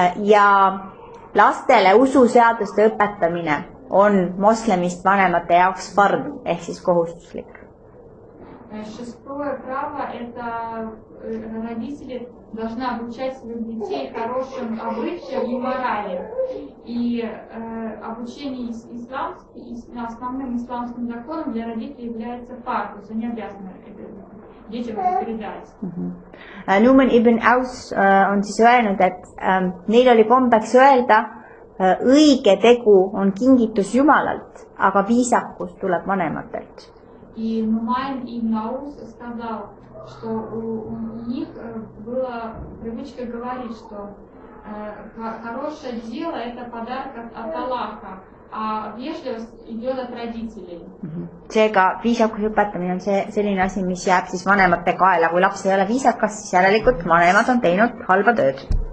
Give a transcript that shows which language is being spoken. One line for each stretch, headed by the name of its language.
Estonian: Ja lastele ususeaduste õpetamine on moslemist vanemate jaoks fard, ehk siis kohustuslik.
Russian: Шестое право – это родители должны обучать своих детей хорошим обычаям и морали. И обучение на основным исламским законом для родителей является фард, то есть они обязаны детям это передать.
Estonian: Numan ibn Aus on siis öelnud, et neil oli kombeks öelda, õige tegu on kingitus Jumalalt, aga viisakus tuleb vanematelt.
Russian: И Numan ibn Aus сказал, что у них была привычка говорить, что хорошее дело – это подарок от Аллаха, а вежливость идет от родителей.
Estonian: Seega viisakus õpetamine on selline asi, mis jääb siis vanemate kaela. Kui laps ei ole viisakas, siis järelikult vanemad on teinud halba tööd.